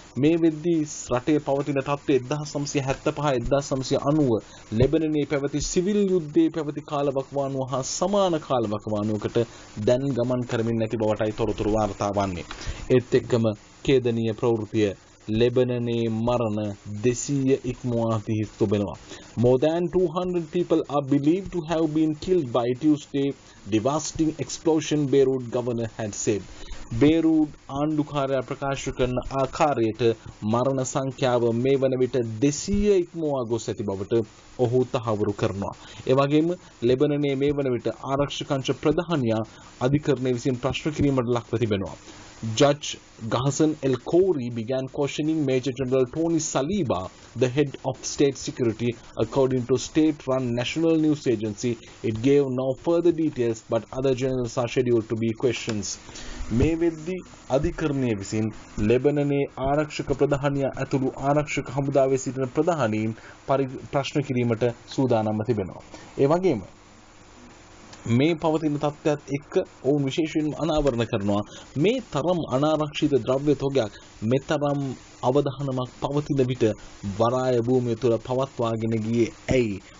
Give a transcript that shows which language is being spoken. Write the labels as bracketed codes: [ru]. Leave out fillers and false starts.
[si] මේවේදදි රටේ පවතින තත්ත්වය 1975 1990 ලෙබනනයේ පැවති සිවිල් යුද්ධයේ පැවති කාලවකවානුව හා සමාන කාලවකවානුවකට දැන් ගමන් කරමින් නැති බවටයි තොරතුරු වාර්තා වන්නේ. ඒත් එක්කම ඛේදනීය ප්‍රවෘත්තිය ලෙබනනයේ මරණ 200 ඉක්මවා තිබෙනවා. [en] More than 200 people are believed to have been killed by Tuesday, devastating explosion Beirut governor had said. [si] බේරුඩ් ආණ්ඩුකාරයා ප්‍රකාශ කරන ආකාරයට මරණ සංඛ්‍යාව මේ වන විට 200 ඉක්මවා ගොස් ඇති බවට ඔහු තහවුරු කරනවා. ඒ වගේම ලෙබනනයේ මේ වන විට ආරක්ෂක අංශ ප්‍රධානියා අධිකරණය විසින් ප්‍රශ්න කිරීමට ලක්ව තිබෙනවා. [en] Judge Ghassan El Khoury began questioning Major General Tony Saliba, the head of state security, according to state-run national news agency. It gave no further details, but other generals are scheduled to be questioned. [si] මේ වෙද්දි අධිකරණය විසින් ලෙබනනයේ ආරක්ෂක ප්‍රධානියා ඇතුළු ආරක්ෂක හමුදාවේ සිටින ප්‍රධානීන් ප්‍රශ්න කිරීමට සූදානම්ව තිබෙනවා. ඒ වගේම මේ පවතින තත්ත්වයක් එක්ක ඔවුන් විශේෂයෙන්ම අනාවරණය කරනවා මේ තරම් අනාරක්ෂිත ද්‍රව්‍ය තොගයක් මෙතරම් අවදානමක් පවතින විට වරාය භූමිය තුළ පවත්වාගෙන ගියේ ඇයි?